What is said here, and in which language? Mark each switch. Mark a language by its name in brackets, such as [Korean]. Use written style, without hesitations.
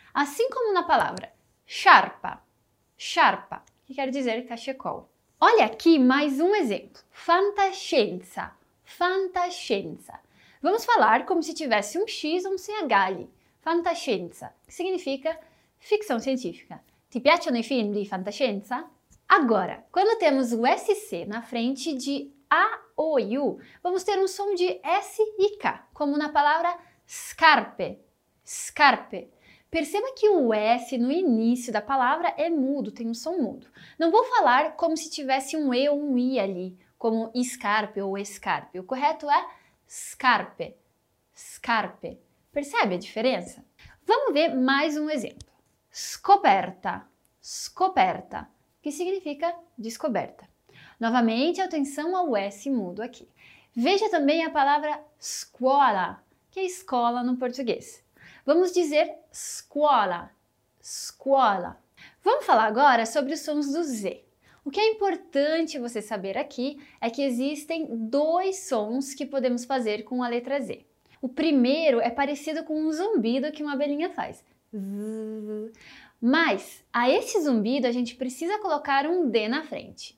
[Portuguese] Assim como na palavra sharpa, sharpa, que quer dizer cachecol. Olha aqui mais um exemplo: fantascienza, fantascienza. Vamos falar como se tivesse um X ou um CH ali. Fantascienza, que significa ficção científica. [Italian] Ti piacciono i film di fantascienza? [Portuguese] Agora, quando temos o SC na frente de A, O e U, vamos ter um som de S e K, como na palavra scarpe. Scarpe. Perceba que o S no início da palavra é mudo, tem um som mudo. Não vou falar como se tivesse um E ou um I ali, como scarpe ou escarpe. O correto é scarpe. Scarpe. Percebe a diferença? Vamos ver mais um exemplo. Scoperta, scoperta, que significa descoberta. Novamente, atenção ao S mudo aqui. Veja também a palavra scuola, que é escola no português. Vamos dizer scuola, scuola. Vamos falar agora sobre os sons do Z. O que é importante você saber aqui é que existem dois sons que podemos fazer com a letra Z. O primeiro é parecido com um zumbido que uma abelhinha faz. Mas a esse zumbido a gente precisa colocar um D na frente.